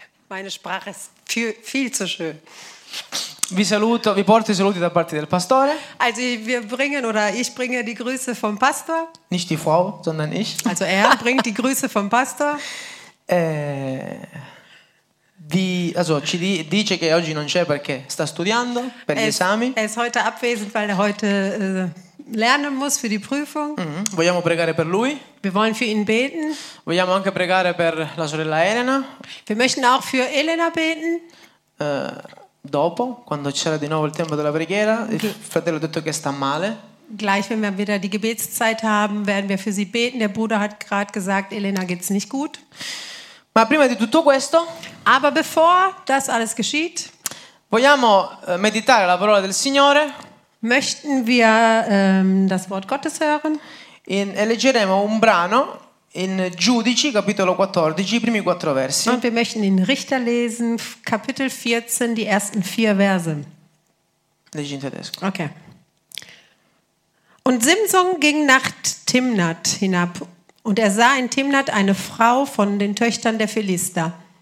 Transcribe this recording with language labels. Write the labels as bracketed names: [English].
[German] Meine Sprache ist viel zu schön. [Italian] Vi saluto, vi porto i saluti da parte del pastore. [German] Also wir bringen oder ich bringe die Grüße vom Pastor. Nicht die Frau, sondern ich. Also er bringt die Grüße vom Pastor. [Italian] Dice che oggi non c'è perché sta studiando per gli esami. [German] Er ist heute abwesend, weil er heute lernen muss für die Prüfung. Mm-hmm. [Italian] Vogliamo pregare per lui. [German] Wir wollen für ihn beten. [Italian] Vogliamo anche pregare per la sorella Elena. [German] Wir möchten auch für Elena beten. [Italian] Dopo, quando c'era di nuovo il tempo della preghiera, il fratello ha detto che sta male. [German] Gleich, wenn wir wieder die Gebetszeit haben, werden wir für sie beten. Der Bruder hat gerade gesagt, Elena geht's nicht gut. [Italian] Ma prima di tutto questo, [German] aber bevor das alles geschieht, [Italian] vogliamo meditare la parola del Signore. [German] Möchten wir das Wort Gottes hören? [Italian] E leggeremo un brano in Giudici, capitolo 14, i primi quattro versi. [German] Und wir möchten in Richter lesen, Kapitel 14, die ersten vier Verse. [Italian] Leggi in tedesco. Okay. [German] Und Simson ging nach Timnat hinab, und er sah in Timnat eine Frau von den Töchtern der Philister.